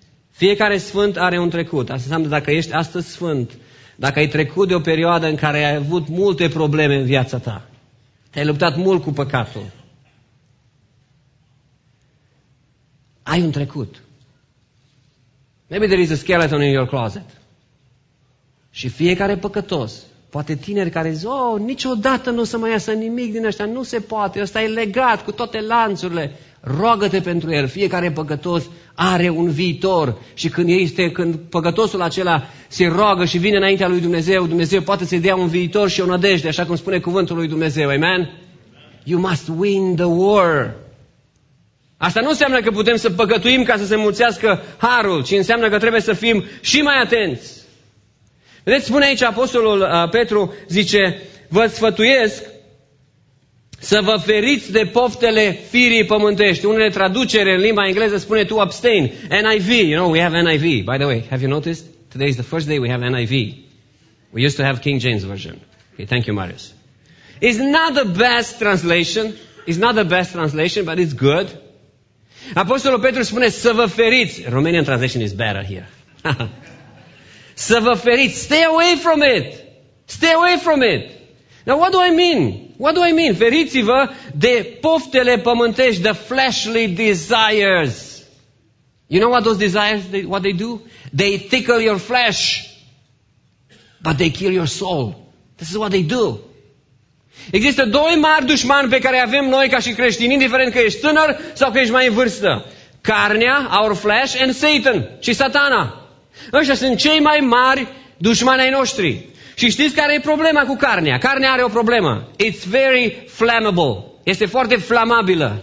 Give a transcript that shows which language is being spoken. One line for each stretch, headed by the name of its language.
Romanian: Fiecare sfânt are un trecut. Asta înseamnă dacă ești astăzi sfânt, dacă ai trecut de o perioadă în care ai avut multe probleme în viața ta, te-ai luptat mult cu păcatul, ai un trecut.
English: Maybe there is a skeleton in your closet.
Romanian: Și fiecare păcătos, poate tineri care zic, oh, niciodată nu o să mai iasă nimic din ăștia, nu se poate, ăsta e legat cu toate lanțurile. Roagă-te pentru el, fiecare păcătos are un viitor și când păcătosul acela se roagă și vine înaintea lui Dumnezeu, Dumnezeu poate să-i dea un viitor și o nădejde, așa cum spune cuvântul lui Dumnezeu, amen?
English: You must win the war.
Romanian: Asta nu înseamnă că putem să păcătuim ca să se mulțească harul, ci înseamnă că trebuie să fim și mai atenți. Vedeți, spune aici apostolul Petru, zice, vă sfătuiesc să vă feriți de poftele firii pământești. Unele traducere în limba engleză spune
English: to abstain. NIV, you know, we have NIV. By the way, have you noticed? Today is the first day we have NIV. We used to have King James Version. Okay, thank you, Marius. It's not the best translation. It's not the best translation, but it's good.
Romanian: Apostolul Petru spune să vă feriți.
English: Romanian translation is better here.
Romanian: Să vă feriți.
English: Stay away from it. Stay away from it. Now, what do I mean? What do I mean?
Romanian: Feriți-vă de poftele pământești,
English: the fleshly desires. You know what those desires, what they do? They tickle your flesh, but they kill your soul. This is what they do.
Romanian: Există doi mari dușmani pe care avem noi ca și creștini, indiferent că ești tânăr sau că ești mai în vârstă.
English: Carnea, our flesh, and Satan,
Romanian: și Satana. Ăștia sunt cei mai mari dușmani ai noștri. Și știți care e problema cu carnea? Carnea are o problemă.
English: It's very flammable.
Romanian: Este foarte flamabilă.